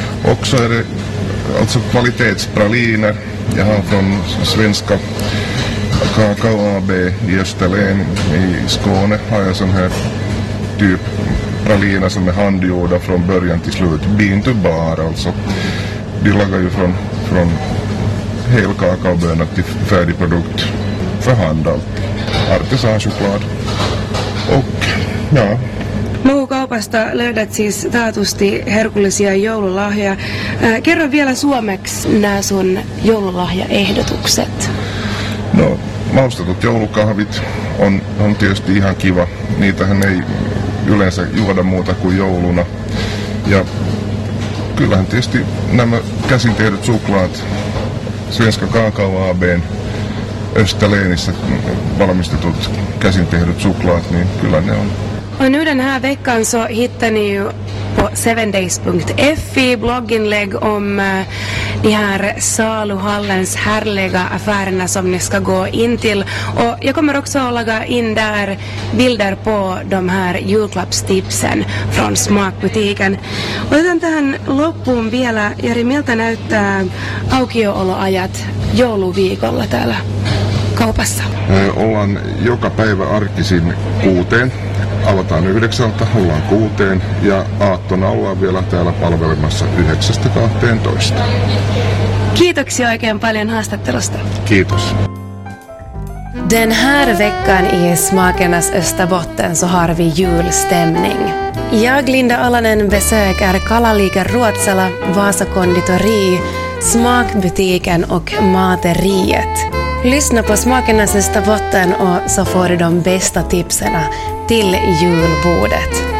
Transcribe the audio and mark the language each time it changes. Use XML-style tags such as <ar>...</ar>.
<sv>Också är det alltså kvalitetspraliner. Jag har från svenska Kakao AB i Österlen i Skåne har jag sån här typ praliner som är handgjorda från början till slut.</sv> <en>Bean to bar</en> <sv>alltså. De lagar ju från hel kakaobönor till färdig produkt för hand alltid. Artisanchoklad. Och ja.</sv> <fi>Makukaupasta löydät siis taatusti herkullisia joululahjoja. Kerro vielä suomeksi nämä sun joululahjaehdotukset. No, maustetut joulukahvit on tietysti ihan kiva. Niitähän ei yleensä juoda muuta kuin jouluna. Ja kyllähän tietysti nämä käsin tehdyt suklaat Svenska Kakao AB:n Österlenissä valmistetut käsin tehdyt suklaat, niin kyllä ne on.</fi> <sv>Nu den här veckan så hittar ni ju på 7days.fi blogginlägg om de här Saluhallens härliga affärerna som ni ska gå in till. Och jag kommer också att lägga in där bilder på de här julklappstipsen från smakbutiken.</sv> <fi>Och sen tähän loppuun vielä, Jari, miltä näyttää aukioloajat jouluviikolla täällä kaupassa? Ollaan joka päivä arkisin 6. Avataan 9:00, ollaan 6:00 ja aattona ollaan vielä täällä palvelemassa 9-12. Kiitoksia oikein paljon haastattelusta. Kiitos.</fi> <sv>Den här veckan i Smakernas Österbotten så har vi julstämning. Jag, Linda Alanen, besöker Kalaliike Ruotsala, Vasa Konditori, Smakbutiken och Materiet. Lyssna på Smakernas Österbotten och så får du de bästa tipsen till julbordet.</sv>